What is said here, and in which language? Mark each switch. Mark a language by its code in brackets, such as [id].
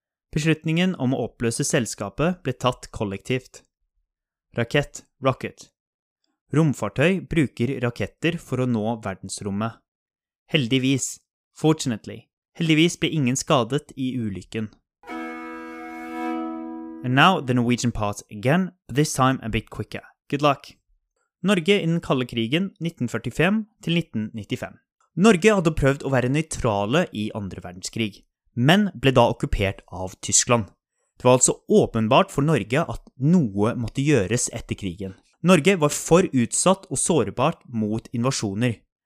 [no] Beslutningen om å oppløse selskapet ble tatt kollektivt. Rakett, rocket. Romfartøy bruker raketter for å nå verdensrommet. Heldigvis, fortunately, heldigvis ble ingen skadet i ulykken. [en] And now the Norwegian part again, but this time a bit quicker. Good luck! [no] Norge i den kalde krigen 1945-1995. Norge hadde prøvd å være nøytrale i 2. verdenskrig, men ble da okkupert av Tyskland. Det var altså åpenbart for Norge at noe måtte gjøres etter krigen. Norge var for utsatt og sårbart mot invasjoner.